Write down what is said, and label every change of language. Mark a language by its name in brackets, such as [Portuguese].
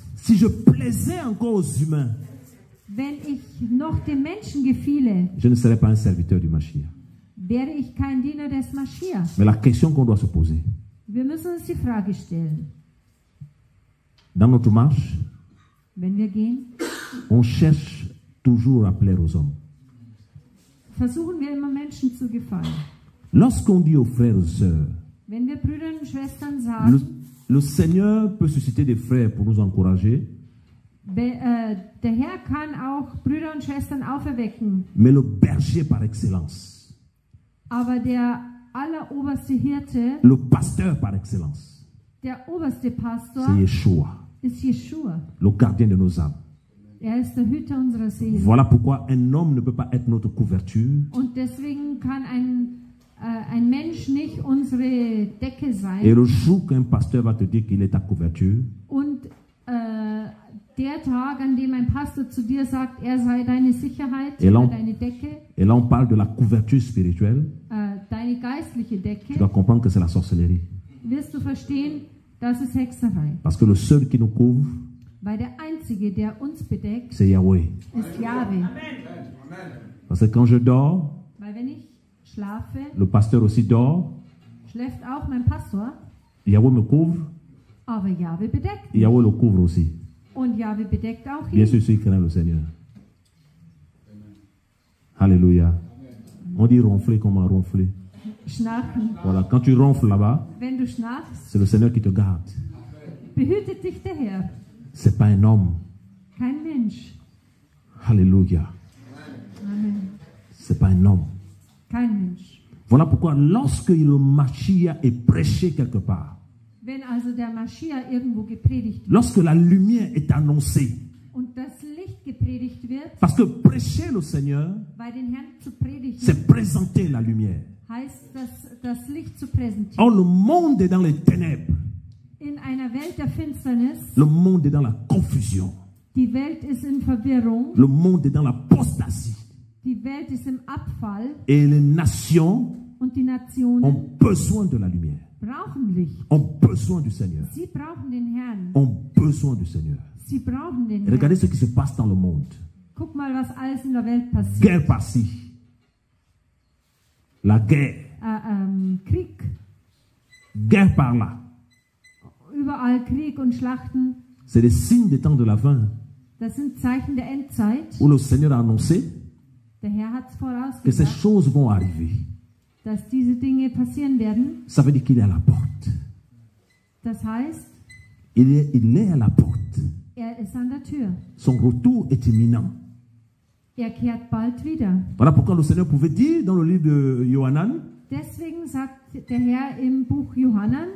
[French] si je plaisais encore aux humains, [German] wenn ich noch den Menschen gefiele, [French] je ne serais pas un serviteur du Mashiach, [German] wäre ich kein Diener des Mashiach. [French] Mais la question qu'on doit se poser, [German] wir müssen uns die Frage stellen, [French] dans notre marche, [German] wenn wir gehen, [French] on cherche toujours à plaire aux hommes. [German] Versuchen wir immer Menschen zu gefallen. [French] Lorsqu'on dit aux frères et sœurs, [German] wenn wir Brüdern und Schwestern sagen, [French] le Seigneur peut susciter des frères pour nous encourager, [German] der Herr kann auch Brüder und Schwestern auferwecken, [French] mais le berger par excellence, [German] aber der alleroberste Hirte, [French] le pasteur par excellence, [German] der oberste Pastor, [French] c'est Yeshua, [German] ist Yeshua, [French] le gardien de nos âmes. [German] Er ist der Hüter unserer Seele. [French] Voilà pourquoi un homme ne peut pas être notre couverture. [German] Und deswegen kann ein ein Mensch nicht unsere Decke sein. [French] Et le jour qu'un pasteur va te dire qu'il est ta couverture. [German] Und der Tag, an dem ein Pastor zu dir sagt, er sei deine Sicherheit, deine Decke. [French] Et là on parle de la couverture spirituelle. [German] Deine geistliche Decke. [French] Tu dois comprendre que c'est la sorcellerie. [German] Wirst du verstehen, das ist Hexerei. [French] Parce que le seul qui nous couvre, [German] weil der Einzige, der uns bedeckt, [French] c'est Yahweh. [German] Ist Yahweh. [French] Parce que quand je dors, [German] weil wenn ich schlafe, [French] le pasteur aussi dort, [German] schläft auch mein Pastor, [French] Yahweh me couvre, [German] aber Yahweh bedeckt mich. [French] Yahweh le couvre aussi. [German] Und Yahweh bedeckt auch [French] bien [German] ihn. [French] Bien sûr, il craint le Seigneur. Alléluia. On dit ronfler comme un ronfler. [German] Schnarchen. [French] Voilà, quand tu ronfles là-bas, [German] wenn du schnarchst, [French] c'est le Seigneur qui te garde. [German] Behütet dich der Herr. [French] C'est pas un homme. [German] Kein Mensch. [French] Alléluia. Amen. C'est pas un homme. [German] Kein Mensch. [French] Voilà pourquoi lorsque le Machia est prêché quelque part, [German] wenn also der Machia irgendwo gepredigt wird, [French] lorsque la lumière est annoncée, [German] und das Licht gepredigt wird, [French] parce que prêcher le Seigneur, [German] weil den Herrn zu predigen, [French] c'est présenter la lumière. [German] Heißt, das Licht zu präsentieren. [French] Or, le monde est dans les ténèbres. [German] In einer Welt der Finsternis. [French] Le monde est dans la confusion. [German] Die Welt ist in Verwirrung. [French] Le monde est dans l'apostasie. [German] Die Welt ist im Abfall. [French] Et les nations, [German] und die Nationen, [French] ont besoin de la lumière. [German] Brauchen Licht. [French] Ont besoin du Seigneur. [German] Sie brauchen den Herrn. [French] Ont besoin du Seigneur. [German] Sie brauchen den Herrn. [French] Regardez ce qui se passe dans le monde. [German] Guck mal, was alles in der Welt passiert. [French] Guerre passée. La guerre. [German] Krieg. [French] Guerre par là. [German] Überall Krieg und Schlachten. [French] C'est des signes des temps de la fin. [German] Das sind Zeichen der Endzeit. [French] Où le Seigneur a annoncé. [German] Der Herr hat's vorausgesagt. [French] Que ces choses vont arriver. [German] Dass diese Dinge passieren werden. [French] Ça veut dire qu'il est à la porte. [German] Das heißt. [French] Il est à la porte. [German] Er ist an der Tür. [French] Son retour est imminent. [German] Er kehrt bald wieder. [French] Voilà pourquoi le Seigneur pouvait dire dans le livre de Johannan. [German] Deswegen sagt der Herr im Buch Johannan.